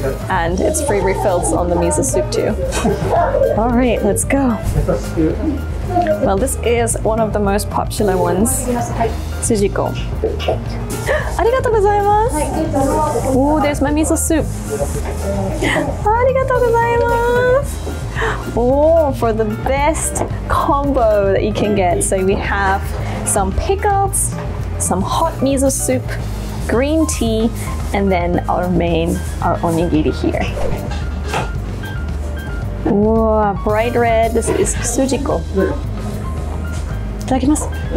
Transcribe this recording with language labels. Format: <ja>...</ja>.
<en>And it's free refills on the miso soup too. All right, let's go. Well, this is one of the most popular ones. Tsujiko.</en> <ja>ありがとうございます。</ja> <en>Oh, there's my miso soup.</en> <ja>ありがとうございます。</ja> <en>Oh, for the best combo that you can get. So we have some pickles, some hot miso soup, green tea, and then our main, our onigiri here. Wow, bright red. This is Tsujiko.</en> <ja>いただきます。</ja>